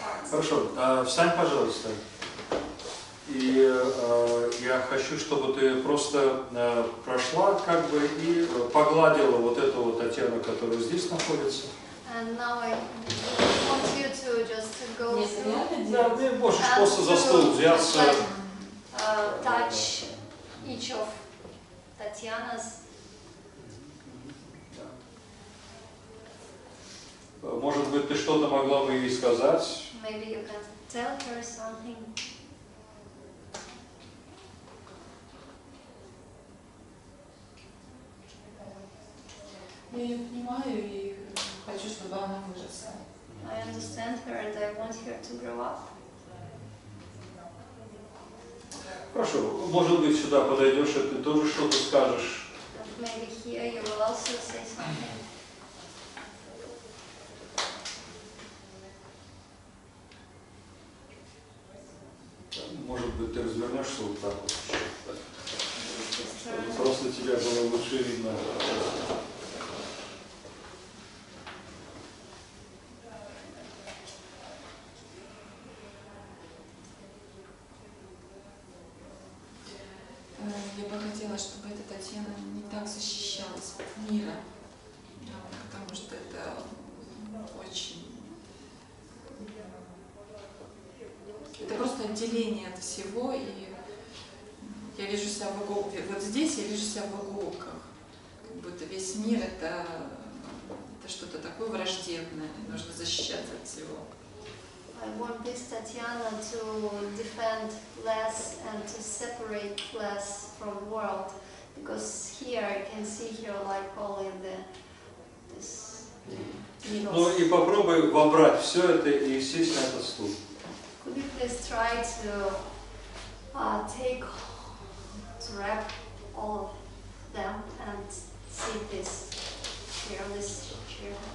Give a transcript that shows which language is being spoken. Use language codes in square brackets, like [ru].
[ru] Хорошо, встань, пожалуйста. И я хочу, чтобы ты просто прошла, как бы, и погладила вот эту вот Татьяну, которая здесь находится. [en] And now I want you to just go through. [ru] Да, ты можешь просто за стол взяться. [en] Like, touch each of Татьяна's. [ru] Может быть, ты что-то могла бы ей сказать? [en] Maybe you can tell her something. [ru] Я ее понимаю и хочу, чтобы она выросла. [en] I understand her and I want her to grow up. [ru] Хорошо, может быть, сюда подойдешь, и ты тоже что-то скажешь. [en] Maybe here you will also say something. [ru] Может быть, ты развернешься вот так вот. Чтобы просто тебя было лучше видно. Я бы хотела, чтобы эта Татьяна не так защищалась от мира, потому что это очень... Это просто отделение от всего, и я вижу себя в иголках. Вот здесь я вижу себя в иголках. Как будто весь мир — это что-то такое враждебное, и нужно защищаться от всего. [en] I want this Tatiana to defend less and to separate less from world, because here I can see her like all in the this. [ru] Ну и попробуй вобрать все это и сесть на этот стул. [en] Could you please try to wrap all of them and sit this chair?